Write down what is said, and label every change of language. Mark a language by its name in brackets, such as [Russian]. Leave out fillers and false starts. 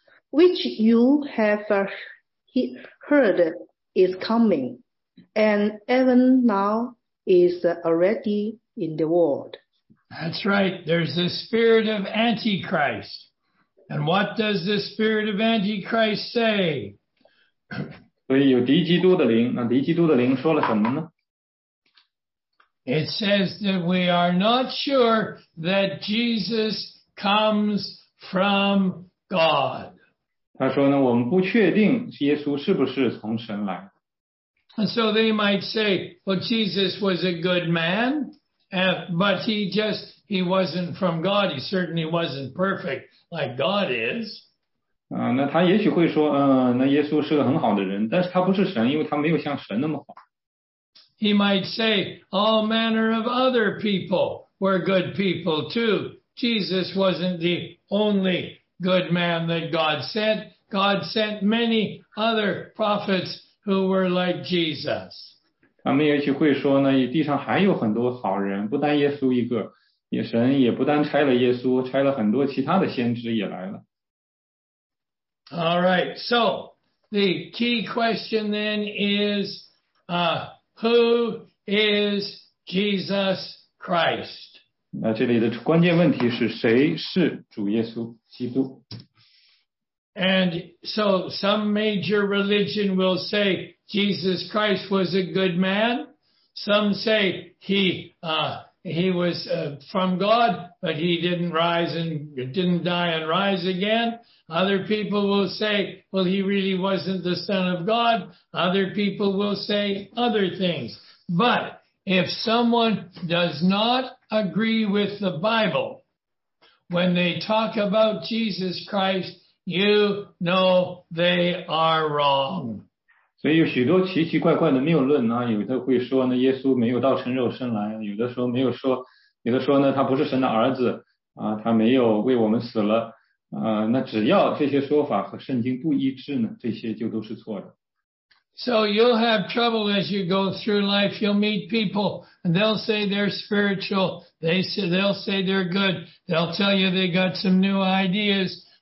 [English] Which you have heard is coming, and even now is already in the world. That's right. There's the spirit of Antichrist. And what does the spirit of Antichrist say? [Chinese] 所以有敌基督的灵，那敌基督的灵说了什么呢？ [English] It says that we are not sure that Jesus comes from God. [Chinese] 他说呢，我们不确定耶稣是不是从神来。 [English] And so they might say, well, Jesus was a good man, but he wasn't from God. He certainly wasn't perfect like God is. [Chinese] 那他也许会说，那耶稣是个很好的人，但是他不是神，因为他没有像神那么好。 [English] He might say, all manner of other people were good people too. Jesus wasn't the only good man that God sent. God sent many other prophets who were like Jesus. [Chinese] 他们也许会说呢，地上还有很多好人，不单耶稣一个，也神也不单拆了耶稣，拆了很多其他的先知也来了。 [English] All right, so the key question then is, who is Jesus Christ? [Chinese] 那这里的关键问题是谁是主耶稣基督 [English] ？And so some major religion will say Jesus Christ was a good man. Some say he was from God, but he didn't die and rise again. Other people will say, well, he really wasn't the Son of God. Other people will say other things. But if someone does not agree with the Bible, when they talk about Jesus Christ, you know they are wrong. [Chinese] 所以有许多奇奇怪怪的谬论呢，有的会说呢，耶稣没有道成肉身来，有的说没有说，有的说呢，他不是神的儿子，他没有为我们死了，那只要这些说法和圣经不一致呢，这些就都是错的。 [English] So you'll have trouble as you go through life. You'll meet people and they'll say they're spiritual. They'll say they're good. They'll tell you they got some new ideas.